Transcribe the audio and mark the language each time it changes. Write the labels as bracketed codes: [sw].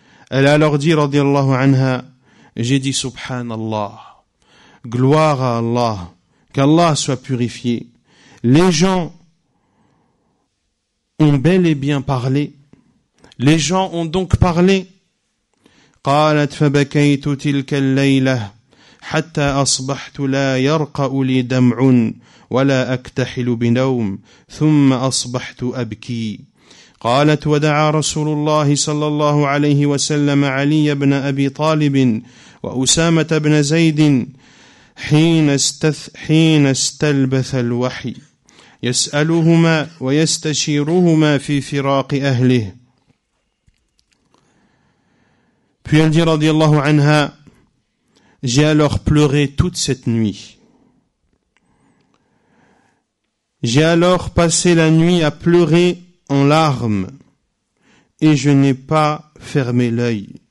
[fr] Elle a alors dit, radiallahu anha, j'ai dit subhanallah, gloire à Allah, qu'Allah soit purifié. Les gens ont bel et bien parlé. Les gens ont donc parlé. [ar] قالت فبكيت تلك الليلة حتى أصبحت لا يرقأ لي دمع ولا أكتحل بنوم ثم أصبحت أبكي. قالت ودعا رسول الله صلى الله عليه وسلم علي بن أبي طالب وأسامة بن زيد حين استلبث الوحي يسألهما ويستشيرهما في فراق أهله. [fr] Puis elle dit, radiallahu anha, j'ai alors pleuré toute cette nuit. J'ai alors passé la nuit à pleurer en larmes et je n'ai pas fermé l'œil.